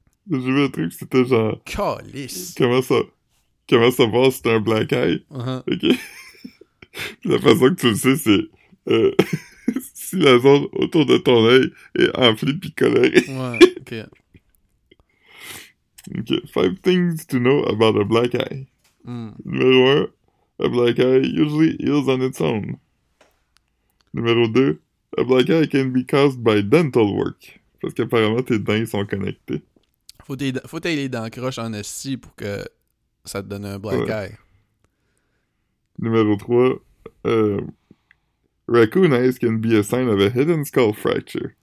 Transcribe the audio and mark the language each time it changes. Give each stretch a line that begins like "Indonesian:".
French: J'ai vu un truc, c'était genre Calice. comment savoir si t'es un black eye? Ok. La façon que tu le sais, c'est si la zone autour de ton œil est enflée puis colorée. Ouais, ok. Ok.
English: 5 things to know about a black eye.
French: Numéro 1,
English: a black eye usually heals on its own.
French: Numéro 2,
English: a black eye can be caused by dental work.
French: Parce qu'apparemment, tes dents sont connectés. Faut t'aider les dents croches en esti pour que ça te donne un black Ouais.
English: eye.
French: Numéro 3.
English: Raccoon eyes can be a sign of a hidden skull fracture.